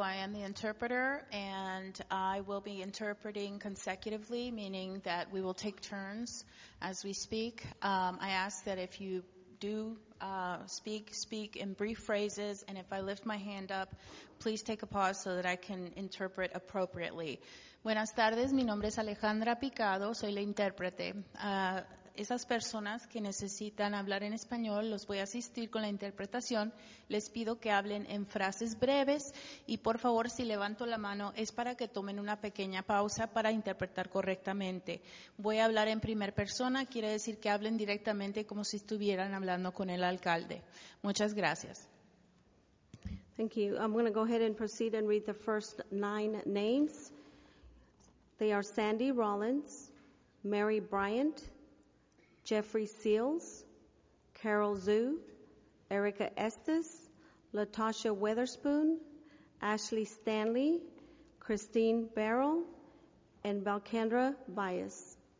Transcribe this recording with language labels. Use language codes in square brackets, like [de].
[en] I am the interpreter, and I will be interpreting consecutively, meaning that we will take turns as we speak. I ask that if you do speak in brief phrases, and if I lift my hand up, please take a pause so that I can interpret appropriately. [es] Buenas tardes. Mi nombre es Alejandra Picado. Soy la intérprete. Esas personas que necesitan hablar en español, los voy a asistir con la interpretación. Les pido que hablen en frases breves y, por favor, si levanto la mano, es para que tomen una pequeña pausa para interpretar correctamente. Voy a hablar en primer persona, quiere decir que hablen directamente como si estuvieran hablando con el alcalde. Muchas gracias. [en] Thank you. I'm going to go ahead and proceed and read the first 9 names. They are Sandy Rollins, Mary Bryant, Jeffrey Seals, Carol Zhu, Erica Estes, Latasha Weatherspoon, Ashley Stanley, Christine Barrel, and Valkendra Bias.